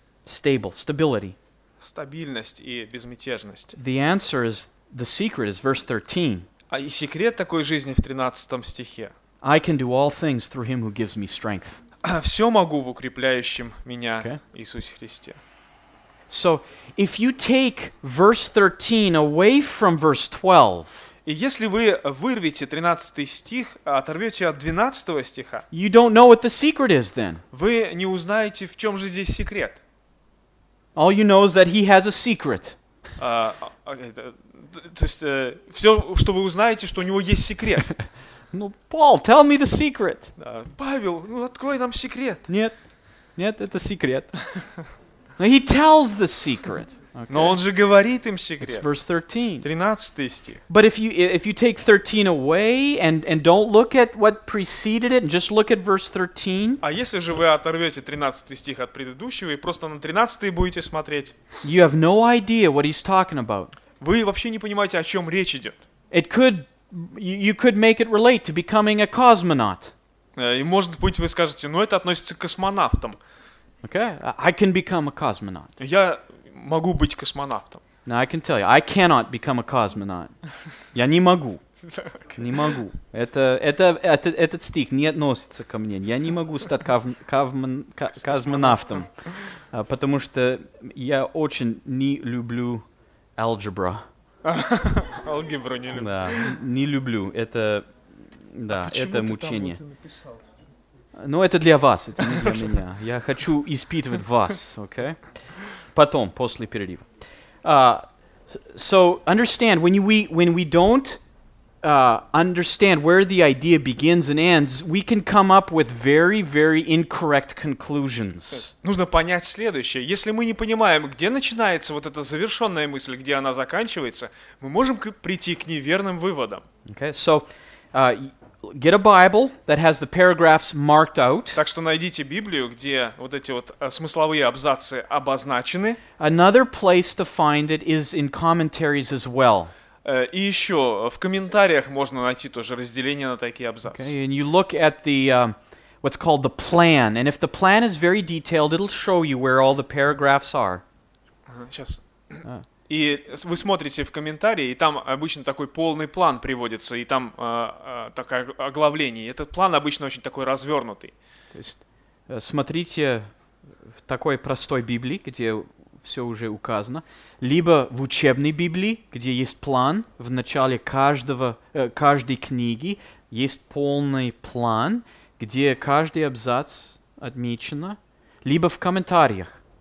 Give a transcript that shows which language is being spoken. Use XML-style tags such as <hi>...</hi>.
<en>Stable, stability.</en> <ru>Стабильность и безмятежность.</ru> <en>The answer is, the secret is verse 13.</en> <ru>А секрет такой жизни в 13 стихе.</ru> <en>I can do all things through him who gives me strength.</en> <ru>Все могу в укрепляющем меня Иисусе Христе.</ru> <en>So, if you take verse 13 away from verse 12,</en> <ru>и если вы вырвете 13 стих, оторвете от 12 стиха,</ru> <en>you don't know what the secret is then.</en> <ru>Вы не узнаете, в чем же здесь секрет.</ru> <en>All you know is that he has a secret.</en> <ru>То есть, все, что вы узнаете, что у него есть секрет.</ru> <en>Ну, Paul, tell me the secret.</en> <ru>Павел, ну, открой нам секрет. Нет, это секрет. Но</ru> <en>he tells the secret. Okay.</en> <ru>Но он же говорит им секрет.</ru> <en>It's verse 13.</en> <ru>13 стих.</ru> <en>But if you take 13 away and don't look at what preceded it, and just look at verse 13.</en> <ru>А если же вы оторвете 13 стих от предыдущего и просто на 13 будете смотреть,</ru> <en>you have no idea what he's talking about.</en> <ru>Вы вообще не понимаете, о чем речь идет.</ru> <en>It could, you could make it relate to becoming a cosmonaut.</en> <ru>И может быть вы скажете, ну это относится к космонавтам.</ru> <en>Okay, I can become a cosmonaut.</en> <ru>Я могу быть космонавтом.</ru> <en>Now I can tell you, I cannot become a cosmonaut.</en> <ru>Я не могу. Не могу. Этот стих не относится ко мне. Я не могу стать космонавтом, потому что я очень не люблю алгебру. Алгебру не люблю. Да, не люблю. Это, да, это мучение. Но это для вас, это не для меня. Я хочу испытывать вас, окей? Потом, после перерыва.</ru> <en>So understand, when we don't understand where the idea begins and ends, we can come up with very, very incorrect conclusions.</en> <ru>Нужно понять следующее. Если мы не понимаем, где начинается вот эта завершенная мысль, где она заканчивается, мы можем прийти к неверным выводам.</ru> <en>Okay, so... get a Bible that has the paragraphs marked out.</en> <ru>Так что найдите Библию, где вот эти вот смысловые абзацы обозначены.</ru> <en>Another place to find it is in commentaries as well.</en> <ru>И еще в комментариях можно найти тоже разделение на такие абзацы.</ru> <en>Okay, and you look at the what's called the plan, and if the plan is very detailed, it'll show you where all the paragraphs are.</en> <ru>Сейчас. И вы смотрите в комментарии, и там обычно такой полный план приводится, и там такое оглавление. Этот план обычно очень такой развернутый. То есть смотрите в такой простой Библии, где все уже указано, либо в учебной Библии, где есть план в начале каждой книги, есть полный план, где каждый абзац отмечен, либо в комментариях.</ru>